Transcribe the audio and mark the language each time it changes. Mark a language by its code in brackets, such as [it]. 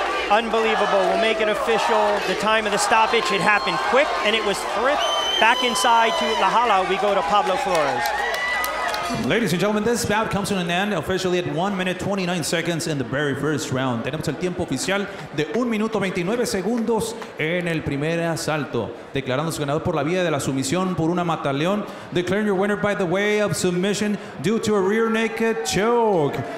[en] Unbelievable. We'll make it official. The time of the stoppage, it happened quick, and it was thrift. Back inside to La Jolla, we go to Pablo Flores. Ladies and gentlemen, this bout comes to an end officially at 1 minute 29 seconds in the very first round. [es] Tenemos el tiempo oficial de 1 minuto 29 segundos en el primer asalto. Declarándose ganador por la vía de la sumisión por una mataleón. [en] Declaring your winner by the way of submission due to a rear naked choke.